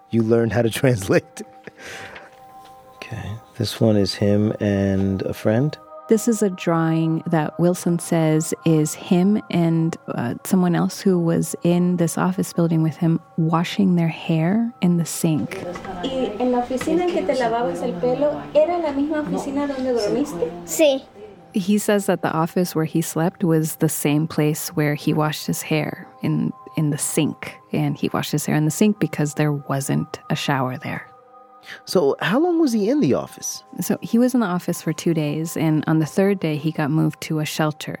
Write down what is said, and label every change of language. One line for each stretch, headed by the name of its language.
English: You learn how to translate. Okay, this one is him and a friend. This is a drawing that Wilson says is him and someone else who was in this office building with him washing their hair in the sink.
Spanish: ¿Y en la oficina en que te lavabas el pelo era la misma oficina donde dormiste? Sí.
English: He says that the office where he slept was the same place where he washed his hair in the sink. And he washed his hair in the sink because there wasn't a shower there. So how long was he in the office? So he was in the office for 2 days. And on the 3rd day, he got moved to a shelter.